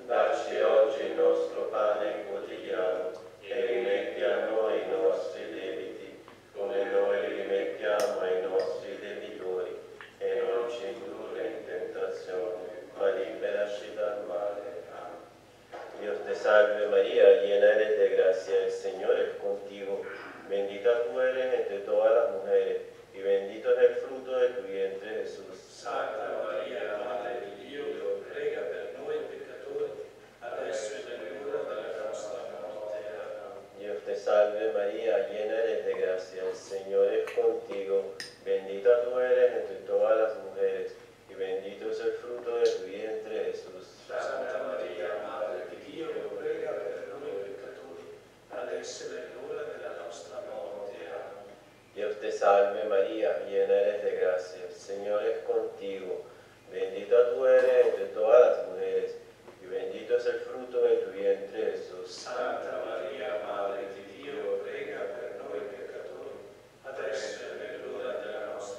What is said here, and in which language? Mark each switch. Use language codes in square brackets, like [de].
[it] Dacci oggi il nostro pane quotidiano e rimetti a noi i nostri debiti come noi li rimettiamo ai nostri debitori e non ci indurre in tentazione, ma liberaci dal male. Amen. [es] Dio te salve Maria, llena eres de gracia, el Señor es contigo. Bendita tú eres entre todas las mujeres, y bendito es el fruto de tu vientre, Jesús. Santa María, Madre de Dios, [it] prega per noi peccatori, adesso e nell'ora della nostra morte. Amen. [es] Dio te salve Maria, llena eres de gracia, el Señor es contigo. Bendita tú eres entre todas las mujeres, y bendito es el fruto de tu vientre, Jesús. Santa María, Madre de Dios, [it] prega per noi peccatori, adesso e nell'ora della nostra morte. [es] Amén. Dios te salve, María, llena eres de gracia, el Señor es contigo. Bendita tú eres entre todas las mujeres, y bendito es el fruto de tu vientre, Jesús. Santa María, Madre de Dios, [it] prega per noi peccatori, adesso e nell'ora